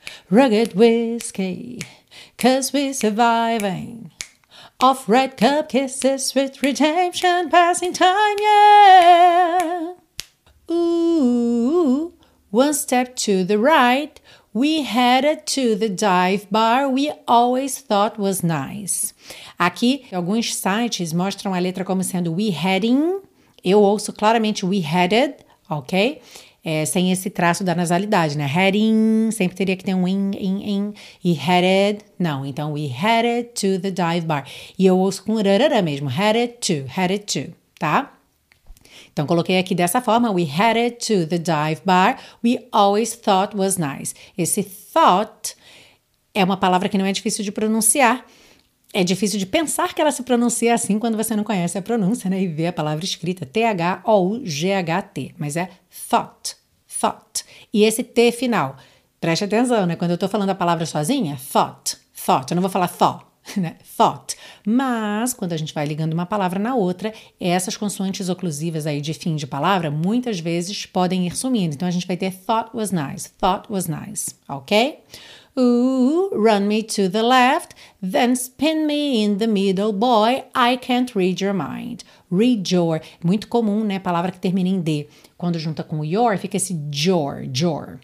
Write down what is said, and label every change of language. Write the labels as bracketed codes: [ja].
[en] Rugged whiskey, cause we're surviving. Off red cup kisses with redemption. Passing time, yeah. Ooh, one step to the right. We headed to the dive bar we always thought was nice. [pt] Aqui, alguns sites mostram a letra como sendo [en] we heading. [pt] Eu ouço claramente [en] we headed, [pt] ok? Sem esse traço da nasalidade, né? Heading, sempre teria que ter um in. E headed, não. Então, [en] we headed to the dive bar. [pt] E eu ouço com rarara mesmo. [en] Headed to, tá? [pt] Então, coloquei aqui dessa forma, [en] we headed to the dive bar, we always thought was nice. [pt] Esse thought é uma palavra que não é difícil de pronunciar. É difícil de pensar que ela se pronuncia assim quando você não conhece a pronúncia, né? E vê a palavra escrita, T-H-O-U-G-H-T, mas é thought. E esse T final, preste atenção, né? Quando eu tô falando a palavra sozinha, thought, eu não vou falar thought. Né? Thought. Mas, quando a gente vai ligando uma palavra na outra, essas consoantes oclusivas aí de fim de palavra, muitas vezes podem ir sumindo. Então, a gente vai ter [en] thought was nice, [pt] ok? [en] Ooh, run me to the left, then spin me in the middle, boy, I can't read your mind. Read your. [pt] Muito comum, né? Palavra que termina em D. Quando junta com your, fica esse jor, jor.